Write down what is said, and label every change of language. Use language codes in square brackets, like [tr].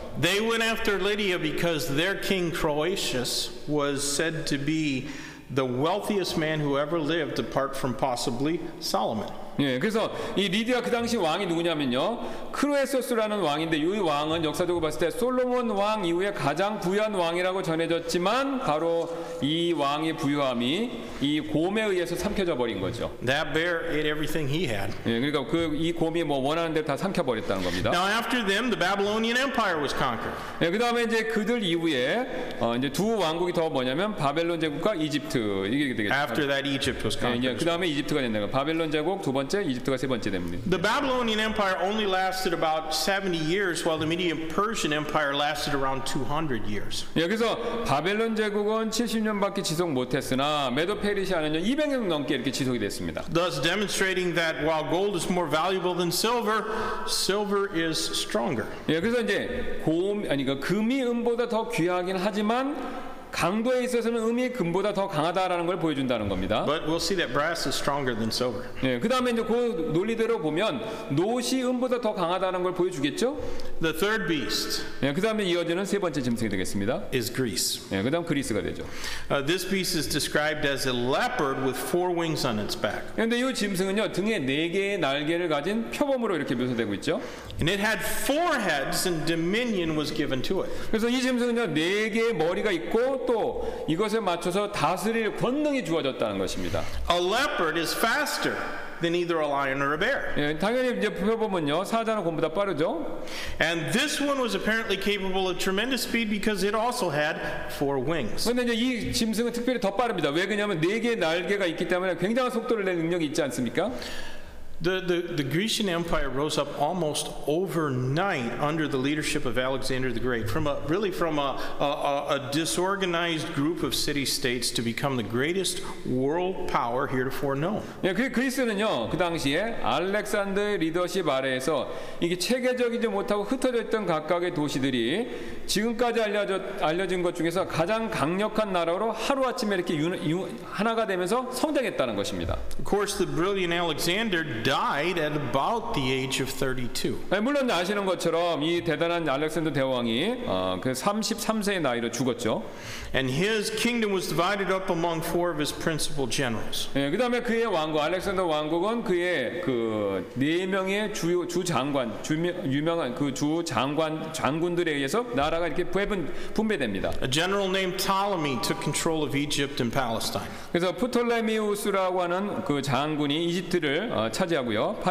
[en] They went after Lydia because their king Croesus was said to be the wealthiest man who ever lived apart from possibly Solomon. [ko] 예, 그래서 이 리디아 그 당시 왕이 누구냐면요, 크로에소스라는 왕인데 이 왕은 역사적으로 봤을 때 솔로몬 왕 이후에 가장 부유한 왕이라고 전해졌지만 바로 이 왕의 부유함이 이 곰에 의해서 삼켜져 버린 거죠. [en] That bear ate everything he had. [ko] 예, 그러니까 그 이 곰이 뭐 원하는 대로 다 삼켜 버렸다는 겁니다. [en] Now after them, the Babylonian Empire was conquered. [ko] 예, 그 다음에 이제 그들 이후에 이제 두 왕국이 더 뭐냐면 바벨론 제국과 이집트 이게 되겠죠. [en] After that, Egypt was conquered. [ko] 예, 그 다음에 이집트가 된다는 거. 바벨론 제국 두 번째, 이집트가 세 번째 됩니다. [en] The Babylonian Empire only lasted about 70 years, while the Medo-Persian Empire lasted around 200 years. [ko] 예, 그래서 바벨론 제국은 70년밖에 지속 못했으나 메도페르시아는요 200년 넘게 이렇게 지속이 됐습니다. [en] Thus demonstrating that while gold is more valuable than silver, silver is stronger. [ko] 예, 그래서 이제 금이 은보다 더 귀하긴 하지만 강도에 있어서는 음이 금보다 더 강하다라는 걸 보여준다는 겁니다. [en] But we'll see that brass is stronger than silver. [ko] 예, 그다음에 이제 그 논리대로 보면 노시 은보다 더 강하다는 걸 보여주겠죠? [en] The third beast. [ko] 예, 그다음에 이어지는 세 번째 짐승이 되겠습니다. [en] Is Greece. [ko] 예, 그다음 그리스가 되죠. [en] This beast is described as a leopard with four wings on its back. [ko] 그런데 이 짐승은요 등에 네 개의 날개를 가진 표범으로 이렇게 묘사되고 있죠. [en] And it had four heads, and dominion was given to it. [ko] 그래서 이 짐승은요 네 개의 머리가 있고 또 이것에 맞춰서 다스릴 권능이 주어졌다는 것입니다. [en] A leopard is faster than either a lion or a bear. [ko] 예, 당연히 이제 표범은요 사자나 곰보다 빠르죠. [en] And this one was apparently capable of tremendous speed because it also had four wings. [ko] 근데 이제 이 짐승은 특별히 더 빠릅니다. 왜 그러냐면 네 개의 날개가 있기 때문에 굉장한 속도를 내는 능력이 있지 않습니까? [en] The Grecian Empire rose up almost overnight under the leadership of Alexander the Great, from a disorganized group of city-states to become the greatest world power heretofore known. [ko] 예, 그리스는요 그 당시에 알렉산더 리더십 아래에서 이게 체계적이지 못하고 흩어져 있던 각각의 도시들이 지금까지 알려진 것 중에서 가장 강력한 나라로 하루 아침에 이렇게 하나가 되면서 성장했다는 것입니다. [en] Of course, the brilliant Alexander died at about the age of 32. [ko] 물론 아시는 것처럼 이 대단한 알렉산더 대왕이 그 33세의 나이로 죽었죠. [en] And his kingdom was divided up among four of his principal generals. [ko] 예, 그다음에 그의 왕국 알렉산더 왕국은 그의 그 네 명의 주 장군들에 의해서 나라가 이렇게 분배됩니다. [en] A general named Ptolemy took control of Egypt and Palestine. [ko] 그래서 프톨레미우스라고 하는 그 장군이 이집트를 차지하고요.